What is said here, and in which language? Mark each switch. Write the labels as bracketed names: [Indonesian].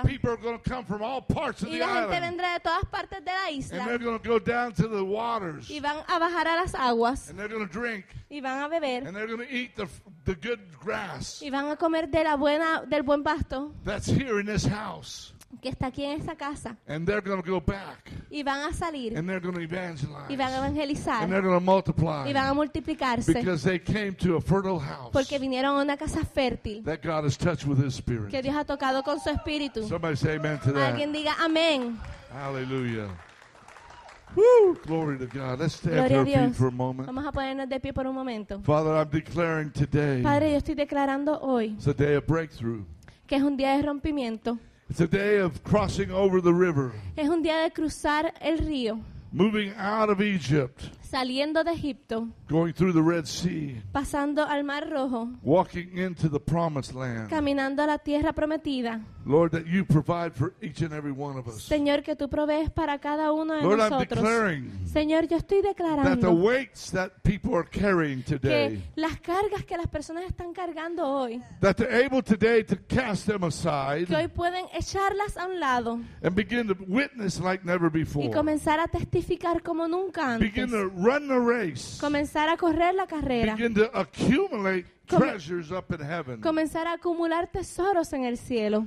[English] And people are going to come from all parts of [Spanish] y [English] the [Spanish] la gente [English] island. [Spanish] Vendrá de todas partes de la isla. [English] And they're going to go down to the waters. [Spanish] Y van a bajar a las aguas. [English] And they're going to drink. [Spanish] Y van a beber. [English] And they're going to eat the good grass. [Spanish] Y van a comer de la buena, del buen pasto. [English] That's here in this house. [Spanish] Que está aquí en esta casa. [English] And they're going to go back. [Spanish] Y van a salir. [English] And they're going to evangelize. [Spanish] Y van a evangelizar. [English] And they're going to multiply. [Spanish] Y van a multiplicarse. [English] Because they came to a fertile house. [Spanish] Porque vinieron a una casa fértil. [English] That God has touched with His Spirit. [Spanish] Que Dios ha tocado con su espíritu. [English] Somebody say amen to that. [Spanish] Alguien diga amén. [English] Hallelujah. Woo! Glory to God. Let's stand [Spanish] Gloria [English] to our feet for a moment. [Spanish] Vamos a ponernos de pie por un momento. [English] Father, I'm declaring today. [Spanish] Padre, yo estoy declarando hoy. [English] It's a day of breakthrough. [Spanish] Que es un día de rompimiento. [English] It's a day of crossing over the river. [Spanish] Es un día de cruzar el río. [English] Moving out of Egypt. [Spanish] Saliendo de Egipto. [English] Going through the Red Sea. [Spanish] Pasando al Mar Rojo. [English] Walking into the Promised Land. [Spanish] Caminando a la tierra prometida. [English] Lord, that you provide for each and every one of us. [Spanish] Señor, que tú provees para cada uno de [English] Lord, [Spanish] nosotros. [English] I'm declaring [Spanish] Señor, yo estoy declarando [English] that the weights that people are carrying today, [Spanish] que las cargas que las personas están cargando hoy, [English] that they're able today to cast them aside, [Spanish] que hoy pueden echarlas a un lado, [English] and begin to witness like never before, [Spanish] y comenzar a testificar como nunca antes, [English] begin to run the race, [Spanish] comenzar a correr la carrera, [English] begin to accumulate treasures up in heaven. [Spanish] Comenzar a acumular tesoros en el cielo.